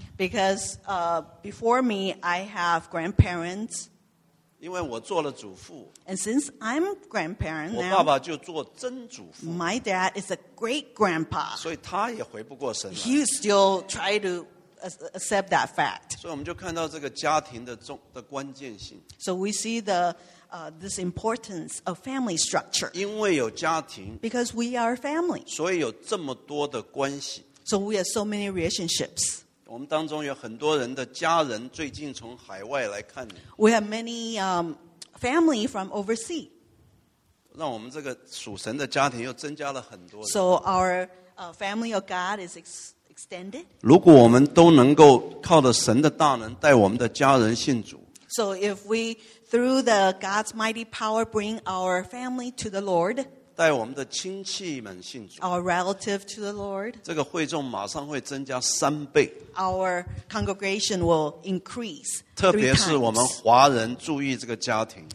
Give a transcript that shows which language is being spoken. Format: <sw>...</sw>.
<en>Because before me, I have grandparents.</en> <zh>因为我做了祖父。</zh> <en>And since I'm grandparent now,</en> <zh>我爸爸就做真祖父。</zh> <en>My dad is a great grandpa.</en> <zh>所以他也回不过神来。</zh> <en>He still try to. Accept that fact.</en> <zh>所以我们就看到这个家庭的关键性。</zh> <en>So we see the this importance of family structure.</en> <zh>因为有家庭。</zh> <en>Because we are family.</en> <zh>所以有这么多的关系。</zh> <en>So we have so many relationships.</en> <zh>我们当中有很多人的家人最近从海外来看你。</zh> <en>We have many family from overseas.</en> <zh>让我们这个属神的家庭又增加了很多人。</zh> <en>So our family of God is. Extended?</en> <zh>如果我们都能够靠着神的大能带我们的家人信主。</zh> <en>So if we, through the God's mighty power, bring our family to the Lord,</en> <zh>带我们的亲戚们信主。</zh> <en>Our relative to the Lord,</en> <zh>这个会众马上会增加三倍。</zh> <en>Our congregation will increase.</en> <zh>特别是我们华人注意这个家庭。</zh>